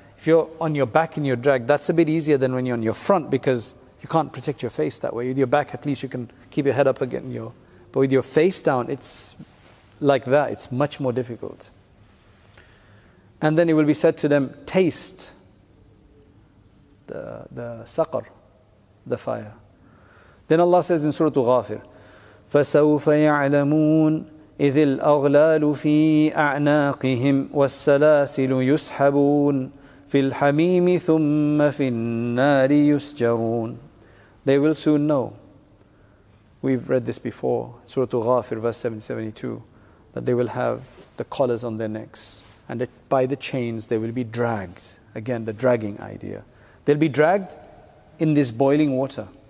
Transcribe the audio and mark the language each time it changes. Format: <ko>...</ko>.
<en>If you're on your back and you're dragged, that's a bit easier than when you're on your front, because you can't protect your face that way. With your back, at least you can keep your head up again. But with your face down, it's like that. It's much more difficult. And then it will be said to them, taste the saqar, the fire. Then Allah says in Surah Ghafir,</en> <ar>فَسَوْفَ يَعْلَمُونَ إِذِ الْأَغْلَالُ فِي أَعْنَاقِهِمْ وَالسَّلَاسِلُ يُسْحَبُونَ فِي الْحَمِيمِ ثُمَّ فِي النَّارِ يُسْجَرُونَ.</ar> <en>They will soon know. We've read this before, Surah Ghafir, verse 72, that they will have the collars on their necks, and by the chains they will be dragged. Again, the dragging idea. They'll be dragged in this boiling water.</en>